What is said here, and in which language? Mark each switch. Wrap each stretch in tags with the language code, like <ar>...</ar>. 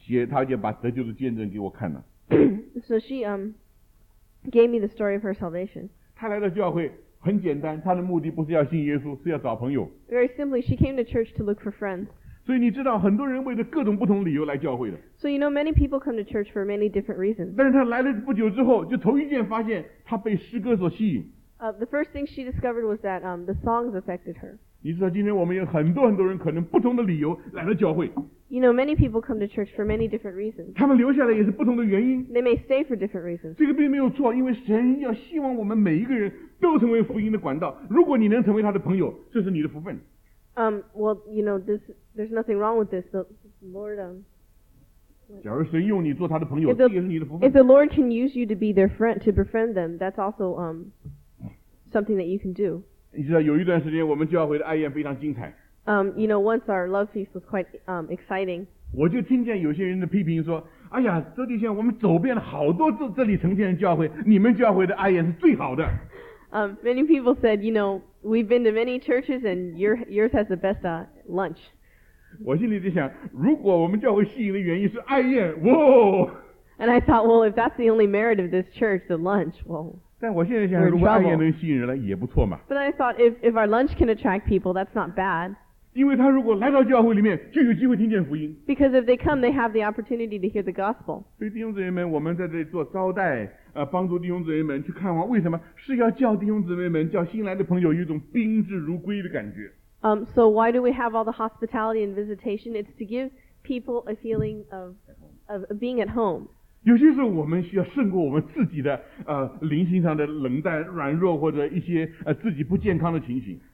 <zh>她就把得救的见证给我看了。</zh> <en>So she gave me the story of her salvation.</en> <zh>她来到教会。很简单，他的目的不是要信耶稣，是要找朋友。</zh> <en>Very simply, she came to church to look for friends.</en> <zh>所以你知道，很多人为了各种不同理由来教会的。</zh> <en>So you know, many people come to church for many different reasons.</en> <zh>但是他来了不久之后，就头一件发现他被诗歌所吸引。</zh> <en>The first thing she discovered was that the songs affected her.</en> <zh>你知道，今天我们有很多很多人可能不同的理由来了教会。</zh> <en>You know, many people come to church for many different reasons.</en> <zh>他们留下来也是不同的原因。</zh> <en>They may stay for different reasons.</en> <zh>这个并没有错，因为神要希望我们每一个人。都成为福音的管道。如果你能成为他的朋友，这是你的福分。</zh> <en>Well, you know, there's nothing wrong with this. The Lord.</en> <zh>假如神用你做他的朋友，这也是你的福分。</zh> <en>If the Lord can use you to be their friend, to befriend them, that's also something that you can do.</en> <zh>你知道有一段时间我们教会的爱宴非常精彩。</zh> <en>You know, once our love feast was quite exciting.</en> <zh>我就听见有些人的批评说。哎呀，周弟兄，我们走遍了好多这里呈现的教会，你们教会的爱宴是最好的。</zh> <en>Many people said, you know, we've been to many churches and yours has the best lunch.</en> <zh>我心里就想，如果我们教会吸引的原因是爱宴，哇</zh> <en>！And I thought, well, if that's the only merit of this church, the lunch, well.</en> <zh>但我现在想，如果爱宴能吸引人来，也不错嘛。</zh> <en>But I thought, if our lunch can attract people, that's not bad. Because if they come, they have the opportunity to hear the gospel.</en> <zh>弟兄姊妹们, 我们在这里做招待, 帮助弟兄姊妹们去看望, 为什么? 是要叫弟兄姊妹们, 叫新来的朋友有一种宾至如归的感觉。</zh> <en>So why do we have all the hospitality and visitation? It's to give people a feeling of being at home.</en> <zh>有些时候我们需要胜过我们自己的, 灵性上的冷淡, 软弱, 或者一些, 自己不健康的情形。</zh>